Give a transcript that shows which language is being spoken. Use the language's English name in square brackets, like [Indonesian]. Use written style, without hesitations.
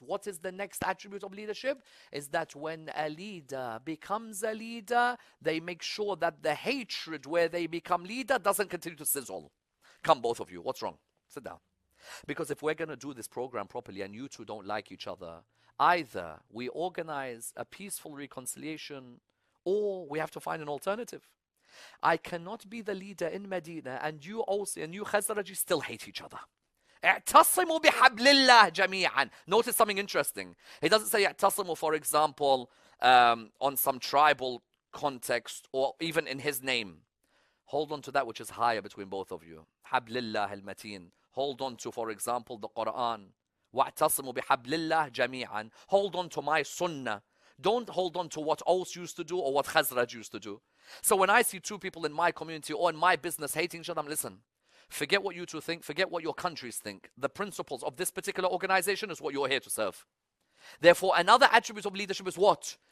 [English] What is the next attribute of leadership? Is that when a leader becomes a leader, they make sure that the hatred where they become leader doesn't continue to sizzle. Come, both of you. What's wrong? Sit down. Because if we're going to do this program properly and you two don't like each other, either we organize a peaceful reconciliation or we have to find an alternative. I cannot be the leader in Medina and you also and you Khazraj still hate each other. [Arabic] اعتصموا بحبل الله جميعا. [English] Notice something interesting. He doesn't say اعتصموا, for example, on some tribal context or even in his name. Hold on to that which is higher between both of you. [Arabic] حبل الله المتين. [English] Hold on to, for example, the Quran. [Arabic] واعتصموا بحبل الله جميعا. [English] Hold on to my sunnah. Don't hold on to what Aus used to do or what Khazraj used to do. So when I see two people in my community or in my business hating each other, I'm listen, forget what you two think, forget what your countries think. The principles of this particular organization is what you're here to serve. Therefore, another attribute of leadership is what?